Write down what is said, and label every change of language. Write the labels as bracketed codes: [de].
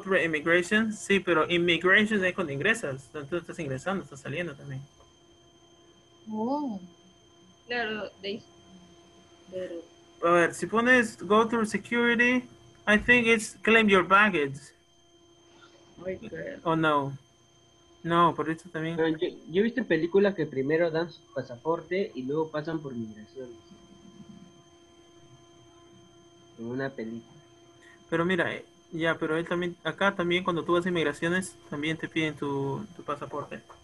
[en] through immigration, [es] sí, pero immigration es cuando ingresas, tú estás ingresando, estás saliendo también. Oh. Claro, a ver, si pones [en] go through security, I think it's claim your baggage. Oh, [es] no. No, por eso también. Pero yo he visto películas que primero dan su pasaporte y luego pasan por migración. En una película. Pero mira, ya, pero él también, acá también cuando tú vas a inmigraciones, también te piden tu pasaporte.